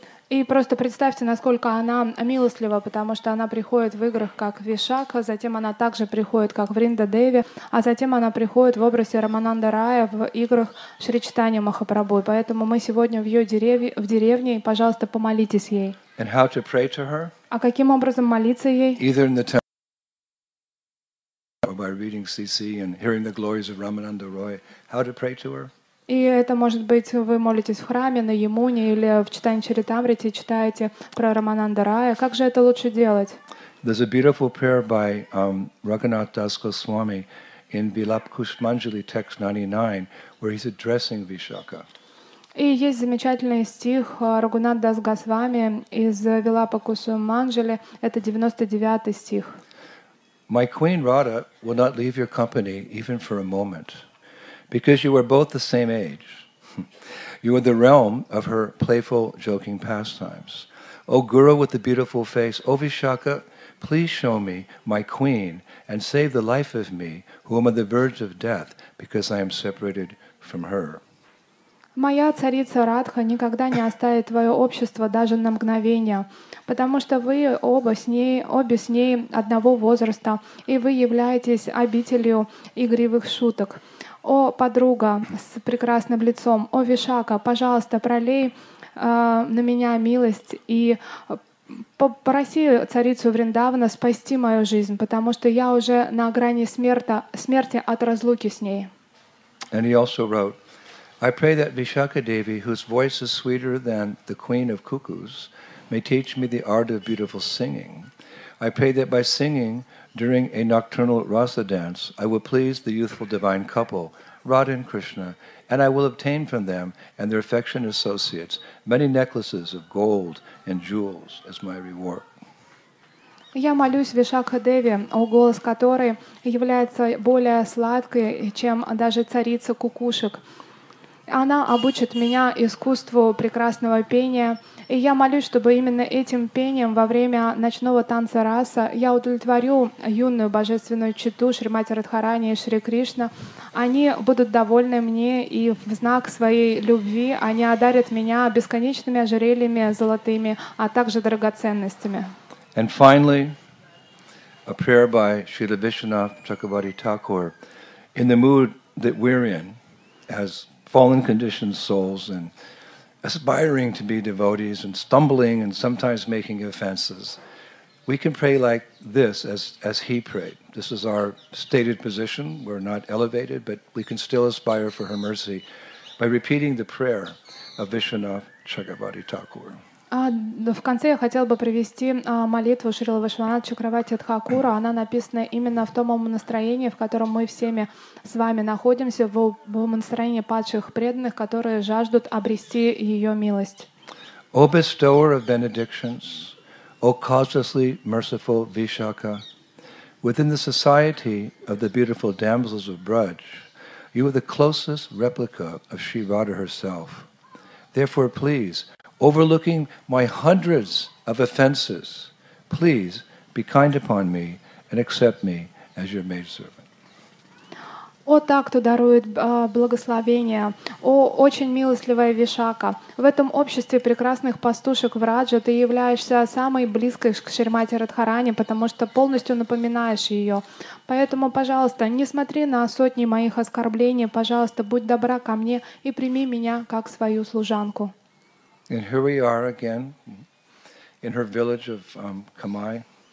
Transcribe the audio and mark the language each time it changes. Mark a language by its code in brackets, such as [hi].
[ru] И просто представьте, насколько она милостлива, потому что она приходит в играх как Вишакха, затем она также приходит как Вринда Деви, а затем она приходит в образе Рамананда Рая в играх Шри Чайтанья Махапрабху. Поэтому мы сегодня в ее деревне, и, пожалуйста, помолитесь ей. [en] And how to pray to her? [ru] А каким образом молиться ей? [en] Either in the temple or by reading CC and hearing the glories of Ramananda Roy. How to pray to her? [ru] И это, может быть, вы молитесь в храме, на Ямуне или в читании Чаритамрите, читаете про Рамананда Рая. Как же это лучше делать? [en] There's a beautiful prayer by Raghunath Das Goswami in Vilap Kushmanjali, text 99, where he's addressing Vishakha. [ru] И есть замечательный стих Рагунат Дас Госвами из Вилапа Кусуманджали, это 99 стих. [en] My queen Radha will not leave your company even for a moment. Because you are both the same age. You are the realm of her playful, joking pastimes. O Guru with the beautiful face, O Vishakha, please show me my queen and save the life of me, who am on the verge of death, because I am separated from her. [ru] Моя царица Радха никогда не оставит твое общество даже на мгновение, потому что вы обе с ней одного возраста, и вы являетесь обителью игривых шуток. О, подруга с прекрасным лицом, о, Вишака, пожалуйста, пролей на меня милость и попроси царицу Вриндавана спасти мою жизнь, потому что я уже на грани смерти от разлуки с ней. [en] And he also wrote, I pray that Vishakha Devi, whose voice is sweeter than the queen of cuckoos, may teach me the art of beautiful singing. I pray that by singing during a nocturnal rasa dance, I will please the youthful divine couple, Radha and Krishna, and I will obtain from them and their affectionate associates many necklaces of gold and jewels as my reward. [ru] Я молюсь Вишакха Деви, о голос которой является более сладкой, чем даже царица кукушек. Она обучит меня искусству прекрасного пения, и я молюсь, чтобы именно этим пением во время ночного танца раса я удовлетворю юную божественную читу Шримати Радхарани и Шри Кришна. Они будут довольны мне, и в знак своей любви они одарят меня бесконечными ожерельями золотыми, а также драгоценностями. [en] And finally, a prayer by Srila Vishwanath Chakravarti Thakur. In the mood that we're in, as fallen conditioned souls and aspiring to be devotees and stumbling and sometimes making offenses, we can pray like this as he prayed. This is our stated position. We're not elevated, but we can still aspire for her mercy by repeating the prayer of Vishwanath Chakravarti Thakur. [ru] В конце я хотела бы привести молитву Шрилы Вишванатха Чакравати Тхакура. Она написана именно в том умонастроении, в котором мы всеми с вами находимся, в умонастроении падших преданных, которые жаждут обрести ее милость. [en] О bestower of benedictions, о causelessly merciful Vishakha, within the society of the beautiful damsels of Braj, you are the closest replica of Sri Radha herself. Therefore, please, overlooking my hundreds of offenses, please be kind upon me and accept me as your maidservant. [ru] О, та, кто дарует благословение, о, очень милостливая Вишакха, в этом обществе прекрасных пастушек в Раджа ты являешься самой близкой к Шримати Радхарани, потому что полностью напоминаешь ее. Поэтому, пожалуйста, не смотри на сотни моих оскорблений, пожалуйста, будь добра ко мне и прими меня как свою служанку. [en] And here we are again in her village of Kamai.